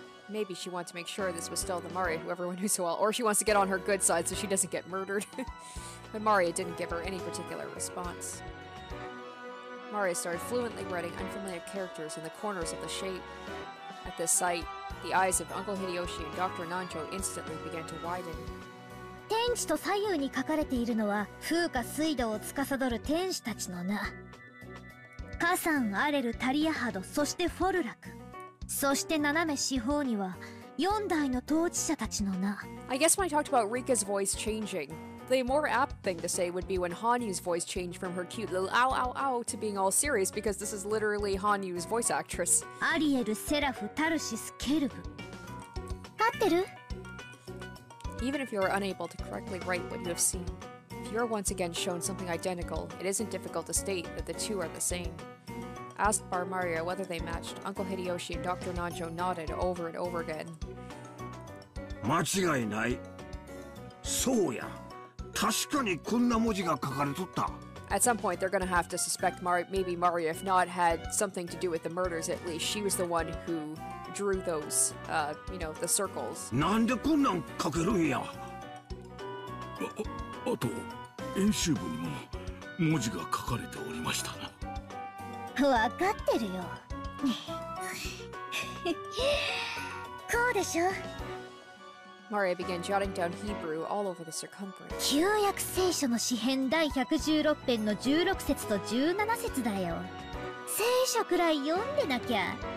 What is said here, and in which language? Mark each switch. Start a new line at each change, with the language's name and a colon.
English: Maybe she wants to make sure this was still the Maria who everyone knew so well, or she wants to get on her good side so she doesn't get murdered. But Maria didn't give her any particular response. Maria started fluently writing unfamiliar characters in the corners of the shape. At this sight, the eyes of Uncle Hideyoshi and Dr. Nancho instantly began to widen.
Japanese: 天使と左右に書かれているのは風か水道を司る天使たちの名。火山、アレル、タリアハド、そしてフォルラク。そして斜め四方には四代の統治者たちの名。
English: I guess when I talked about Rika's voice changing, the more apt thing to say would be when Hanyu's voice changed from her cute little ow ow ow to being all serious, because this is literally Hanyu's voice actress.
Japanese: アリエル、セラフ、タルシス、ケルブ。合ってる?
English: Even if you are unable to correctly write what you have seen, if you are once again shown something identical, it isn't difficult to state that the two are the same. Asked Bar Maria whether they matched, Uncle Hideyoshi and Dr. Nanjo nodded over and over again.
Japanese: 間違いない。そうや。確かにこんな文字が書かれとった。
English: At some point, they're gonna have to suspect maybe Maria, if not, had something to do with the murders, at least she was the one who... drew those, you know, the circles.
Japanese: なんでこんなん書けるんや? あと、演習文にも文字が書かれておりました。わかってるよ。こうでしょ?
English: Maria began jotting down Hebrew all over the circumference.
Japanese: 旧約聖書の詩篇第116編の16節と17節だよ。聖書くらい読んでなきゃ。